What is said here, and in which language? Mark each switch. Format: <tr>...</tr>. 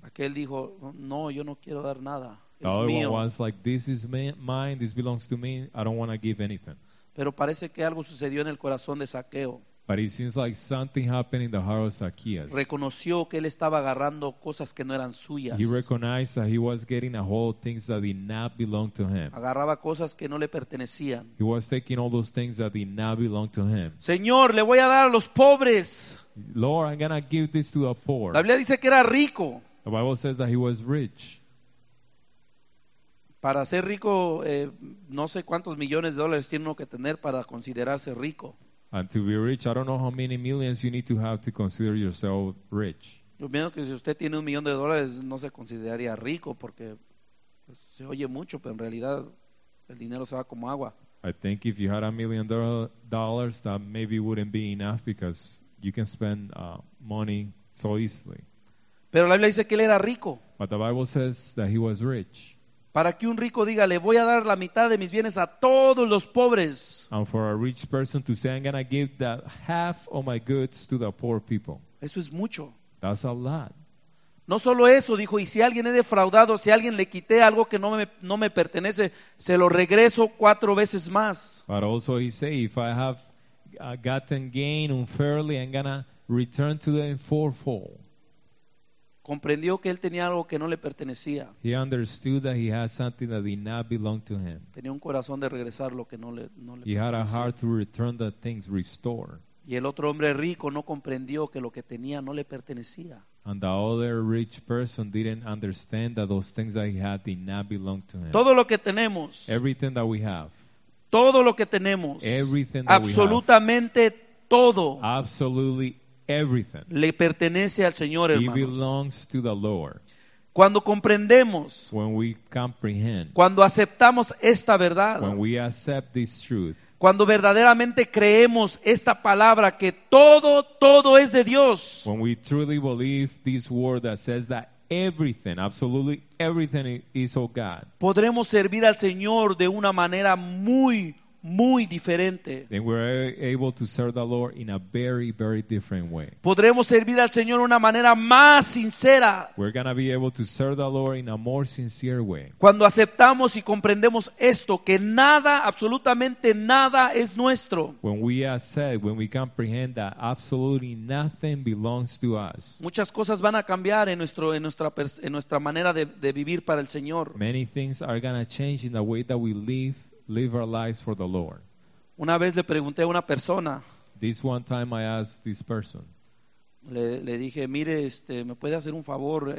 <es>Aquel dijo, no, yo no quiero dar nada.</es> <en>The</en> <es>es</es> <en>other</en> <es>mío.</es> <en>One was like, this is mine, this belongs to me, I don't want to give anything.</en> <es>Pero parece que algo sucedió en el corazón de Zaqueo.</es> <en>But it seems like something happened in the heart of Zacchaeus.</en> <es>Reconoció que él estaba agarrando cosas que no eran suyas.</es> <en>He recognized that he was getting a hold of things that did not belong to him.</en> <es>Agarraba cosas que no le pertenecían.</es> <en>He was taking all those things that did not belong to him.</en> <es>Señor, le voy a dar a los pobres.</es> <en>Lord, I'm going to give this to the poor.</en> <es>La Biblia dice que era rico.</es> <en>The Bible says that he was rich.</en> <es>Para ser rico, no sé cuántos millones de dólares tiene uno que tener para considerarse rico.</es> <en>And to be rich, I don't know how many millions you need to have to consider yourself rich.</en> <es>Yo pienso que si usted tiene un millón de dólares, no se consideraría rico porque se oye mucho, pero en realidad el dinero se va como agua.</es> <en>I think if you had $1 million, that maybe wouldn't be enough because you can spend money so easily.</en> <es>Pero la Biblia dice que él era rico.</es> <en>But the Bible says that he was rich.</en> <es>Para que un rico diga, le voy a dar la mitad de mis bienes a todos los pobres.</es> <en>And for a rich person to say, I'm going to give the half of my goods to the poor people.</en> <es>Eso es mucho.</es> <en>That's a lot.</en> <es>No solo eso, dijo, y si alguien he defraudado, si alguien le quité algo que no me pertenece, se lo regreso cuatro veces más.</es> <en>But also he say, if I have gotten gain unfairly, I'm going to return to them fourfold.</en> <es>Comprendió que él tenía algo que no le pertenecía.</es> <en>He understood that he had something that did not belong to him.</en> <es>Tenía un corazón de regresar lo que no le pertenecía.</es> <en>He had a heart to return the things, restore.</en> <es>Y el otro hombre rico no comprendió que lo que tenía no le pertenecía.</es> <en>And the other rich person didn't understand that those things that he had did not belong to him.</en> <es>Todo lo que tenemos.</es> <en>Everything that we have.</en> <es>Todo lo que tenemos.</es> <en>Everything that we have.</en> <es>Absolutamente todo.</es> <en>Absolutely everything.</en> <es>Le pertenece al Señor, hermanos.</es> <en>He belongs to the Lord.</en> <es>Cuando comprendemos,</es> <en>when we comprehend,</en> <es>cuando aceptamos esta verdad,</es> <en>when we accept this truth,</en> <es>cuando verdaderamente creemos esta palabra que todo es de Dios,</es> <en>when we truly believe this word that says that everything, absolutely everything is of God,</en> <es>podremos servir al Señor de una manera muy diferente.</es> <en>Then we're able to serve the Lord in a very, very different way.</en> <es>Podremos servir al Señor de una manera más sincera.</es> <en>We're going to be able to serve the Lord in a more sincere way.</en> <es>Cuando aceptamos y comprendemos esto, que nada, absolutamente nada es nuestro.</es> <en>When we comprehend that absolutely nothing belongs to us.</en> <es>Muchas cosas van a cambiar en nuestra manera de vivir para el Señor.</es> <en>Many things are going to change in the way that we live our lives for the Lord.</en> <es>Una vez le pregunté a una persona.</es> <en>This one time I asked this person.</en> <es>Le dije, mire, ¿me puede hacer un favor?</es>